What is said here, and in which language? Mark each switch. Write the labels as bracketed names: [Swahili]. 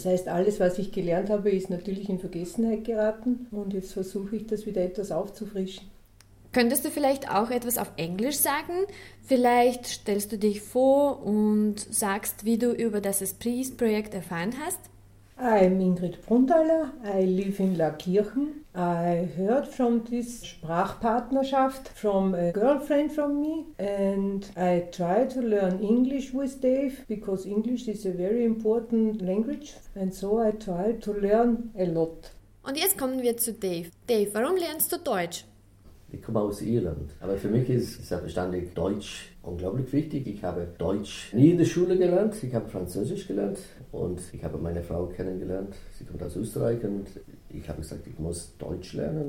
[German] Das heißt, alles, was ich gelernt habe, ist natürlich in Vergessenheit geraten. Und jetzt versuche ich, das wieder etwas aufzufrischen. Könntest du vielleicht auch etwas auf Englisch sagen? Vielleicht stellst du dich vor und sagst, wie du über das Esprit-Projekt erfahren hast? [English] I'm Ingrid Brundaler. I live in La Kirchen. I heard from this Sprachpartnerschaft from a girlfriend from me, and I try to learn English with Dave because English is a very important language, and so I try to learn a lot. [German] Und jetzt kommen wir zu Dave. Dave, warum lernst du Deutsch? Ich komme aus Irland, aber für mich ist selbstverständlich Deutsch unglaublich wichtig. Ich habe Deutsch nie in der Schule gelernt, ich habe Französisch gelernt und ich habe meine Frau kennengelernt. Sie kommt aus Österreich und ich habe gesagt, ich muss Deutsch lernen.